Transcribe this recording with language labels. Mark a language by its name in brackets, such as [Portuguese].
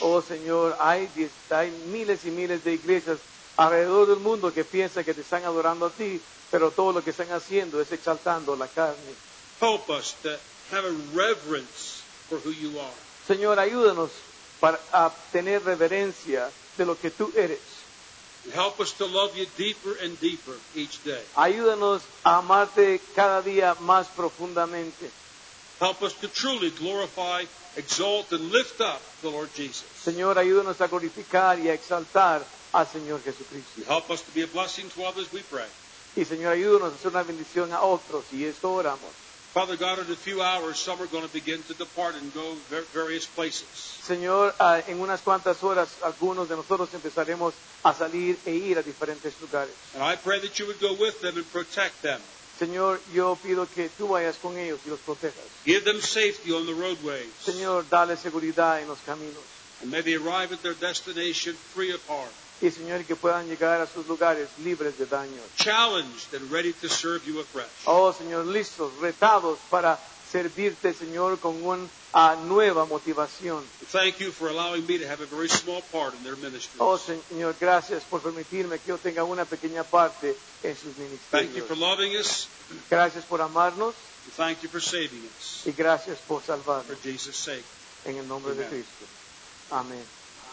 [Spanish] Oh, Señor, hay miles y miles de iglesias alrededor del mundo que piensan que te están adorando a ti, pero todo lo que están haciendo es exaltando la carne. [English] Help us to have a reverence for who you are. [Spanish] Señor, ayúdanos a tener reverencia de lo que tú eres. [English] Help us to love you deeper and deeper each day. [Spanish] Ayúdanos a amarte cada día más profundamente. [English] Help us to truly glorify, exalt, and lift up the Lord Jesus. [Spanish] Señor, ayúdanos a glorificar y a exaltar al Señor Jesucristo. [English] Help us to be a blessing to others, we pray. [Spanish] Y Señor, ayúdanos a hacer una bendición a otros, y esto oramos. [English] Father God, in a few hours, some are going to begin to depart and go various places. [Spanish] Señor, en unas cuantas horas, algunos de nosotros empezaremos a salir e ir a diferentes lugares. [English] And I pray that you would go with them and protect them. [Spanish] Señor, yo pido que tú vayas con ellos y los protejas. [English] Give them safety on the roadways. [Spanish] Señor, dale seguridad en los caminos. [English] And may they arrive at their destination free of harm. [Spanish] Y Señor, que puedan llegar a sus lugares libres de daño. [English] Challenged and ready to serve you afresh. [Spanish] Oh, Señor, listos, retados para servirte, Señor, con una nueva motivación. [English] Thank you for allowing me to have a very small part in their ministry. [Spanish] Oh, Señor, gracias por permitirme que yo tenga una pequeña parte en sus ministerios. [English] Thank you for loving us. [Spanish] Gracias por amarnos. [English] Thank you for saving us. [Spanish] Y gracias por salvarnos. [English] For Jesus' sake. [Spanish] En el nombre Amen. De Cristo. Amén.